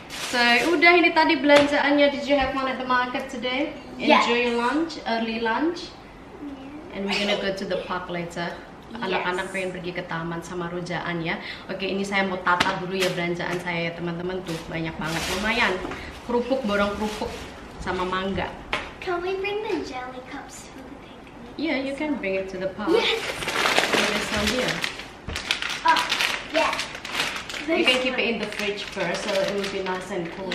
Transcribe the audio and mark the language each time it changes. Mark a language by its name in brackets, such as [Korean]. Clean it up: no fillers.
[Indonesian] So, udah ini tadi belanjaannya. [English] Did you have fun at the market today? Enjoy yes. lunch, early lunch. And we're gonna go to the park later. [Indonesian] Anak-anak pengen pergi ke taman sama rujaan ya. Oke, ini saya mau tata dulu ya belanjaan saya ya teman-teman. Tuh banyak banget, lumayan. Kerupuk, borong kerupuk sama mangga. [English] Can we bring the jelly cups to the picnic? Yeah, you can bring it to the park. Yes. And this one here. Oh, yeah. This you can keep one. It in the fridge first, so it will be nice and cool.